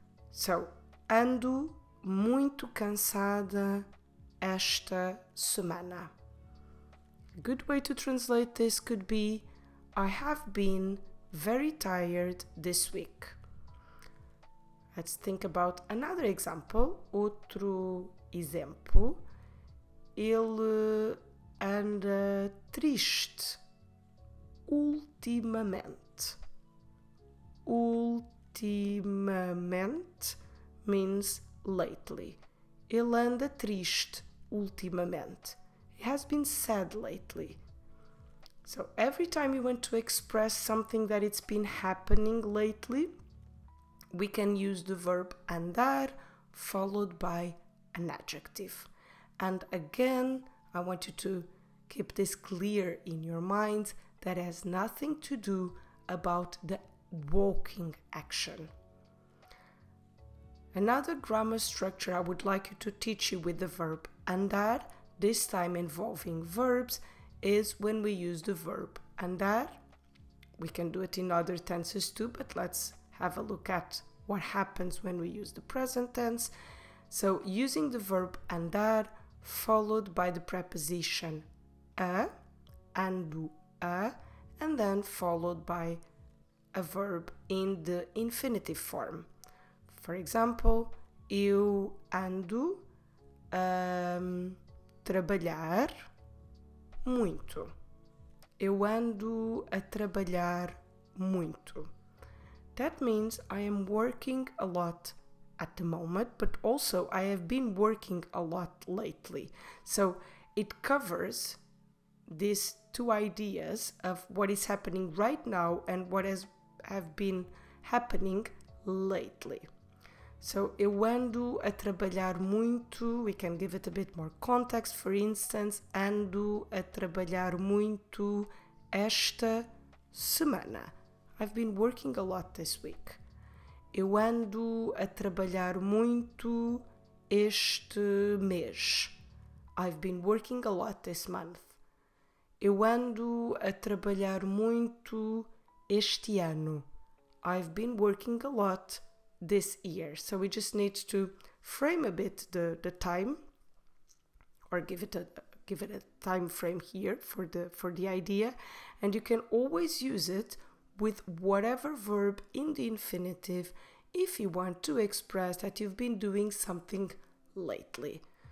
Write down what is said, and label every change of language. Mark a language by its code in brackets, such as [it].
[pt] So, ando muito cansada esta semana. [en] A good way to translate this could be, I have been very tired this week. Let's think about another example. [pt] Outro exemplo. Ele anda triste ultimamente. [en] Ultimamente means lately. [pt] Ele anda triste ultimamente. [en] He has been sad lately. So every time you want to express something that it's been happening lately, we can use the verb andar followed by an adjective. And again, I want you to keep this clear in your mind, that has nothing to do about the walking action. Another grammar structure I would like you to teach you with the verb andar, this time involving verbs, is when we use the verb andar. We can do it in other tenses too, but let's have a look at what happens when we use the present tense. So using the verb andar followed by the preposition a, ando a, and then followed by a verb in the infinitive form. For example, [pt] eu ando a trabalhar muito. Eu ando a trabalhar muito. [en] That means I am working a lot at the moment, but also I have been working a lot lately. So it covers these two ideas of what is happening right now and what has have been happening lately. So [pt] eu ando a trabalhar muito, [en] we can give it a bit more context. For instance, [pt] ando a trabalhar muito esta semana. [en] I've been working a lot this week. [pt] Eu ando a trabalhar muito este mês. [en] I've been working a lot this month. [pt] Eu ando a trabalhar muito este ano. [en] I've been working a lot this year. So we just need to frame a bit the time, or give it a time frame here for the idea. And you can always use it with whatever verb in the infinitive if you want to express that you've been doing something lately.